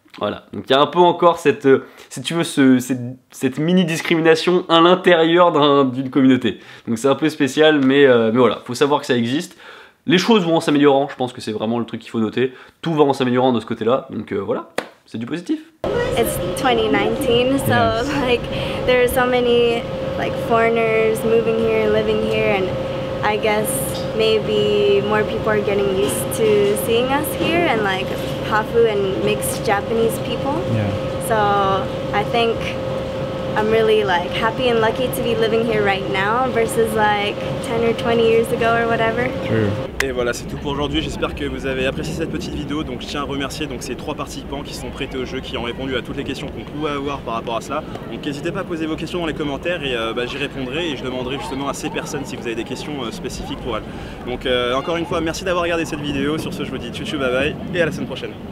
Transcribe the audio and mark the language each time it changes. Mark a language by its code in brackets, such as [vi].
[fr] Voilà, donc il y a un peu encore cette mini-discrimination à l'intérieur d'une communauté. Donc c'est un peu spécial, mais voilà, faut savoir que ça existe. Les choses vont en s'améliorant, je pense que c'est vraiment le truc qu'il faut noter. Tout va en s'améliorant de ce côté-là, donc voilà, c'est du positif. [en] It's 2019, so like, there are so many like, foreigners moving here, living here, and I guess maybe more people are getting used to seeing us here and like Hafu and mixed Japanese people. Yeah. So I think I'm really like happy and lucky to be living here right now versus like 10 or 20 years ago or whatever. True. [fr] Et voilà, c'est tout pour aujourd'hui, j'espère que vous avez apprécié cette petite vidéo, donc je tiens à remercier donc, ces trois participants qui sont prêtés au jeu, qui ont répondu à toutes les questions qu'on pouvait avoir par rapport à cela. Donc n'hésitez pas à poser vos questions dans les commentaires et j'y répondrai et je demanderai justement à ces personnes si vous avez des questions spécifiques pour elles. Donc encore une fois, merci d'avoir regardé cette vidéo, sur ce je vous dis tchou tchou bye bye et à la semaine prochaine.